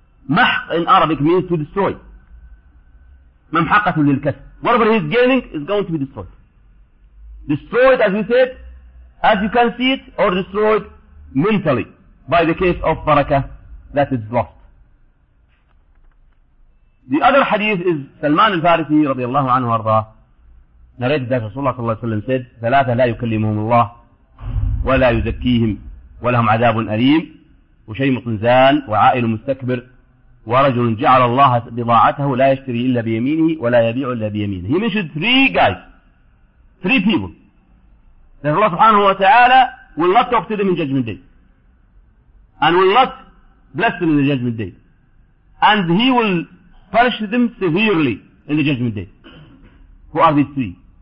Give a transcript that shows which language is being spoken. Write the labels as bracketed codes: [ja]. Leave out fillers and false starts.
[en] Mahq in Arabic means to destroy. Mamhaqa to lilkas. Whatever he is gaining is going to be destroyed. Destroyed, as we said, as you can see it, or destroyed mentally by the case of barakah that is lost. The other hadith is Salman al-Farisi radiallahu anhu arda narrated that Rasulullah ﷺ said, [ar] ثلاثة لا يكلمهم الله ولا يزكيهم ولهم عذاب أليم وشيم طنزان وعائل مستكبر ورجل جعل الله بضاعته لا يشتري إلا بيمينه ولا يبيع إلا بيمينه. [en] He mentioned three people that Allah subhanahu wa ta'ala will not talk to them in judgment day and will not bless them in the judgment day and he will punish them severely in the judgment day. Who are these three?